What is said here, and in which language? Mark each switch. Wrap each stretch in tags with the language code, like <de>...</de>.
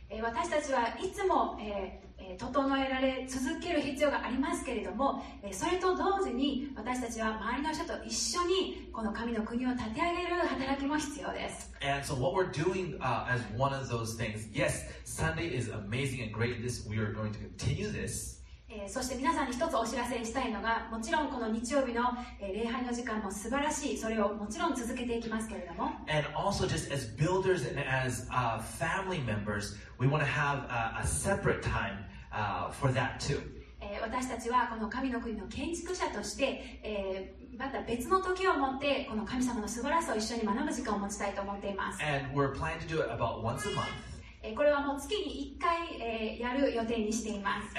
<ja>私たちはいつも整えられ続ける必要がありますけれども、それと同時に私たちは周りの人と一緒にこの神の国を立て上げる働きも必要です。</ja> <en>And so what we're doing, as one of those things, yes, Sunday is amazing and great. This we are going to continue this.</en> <ja>そして皆さんに一つお知らせしたいのが、もちろんこの日曜日の礼拝の時間も素晴らしい、それをもちろん続けていきますけれども、</ja> <en>And also just as builders and as family members, we want to have a separate time for that too.</en> <ja>私たちはこの神の国の建築者としてまた別の時を持ってこの神様の素晴らしさを一緒に学ぶ時間を持ちたいと思っています。</ja> <en>And we're planning to do it about once a month.</en> <ja>これはもう月に1回やる予定にしています。</ja>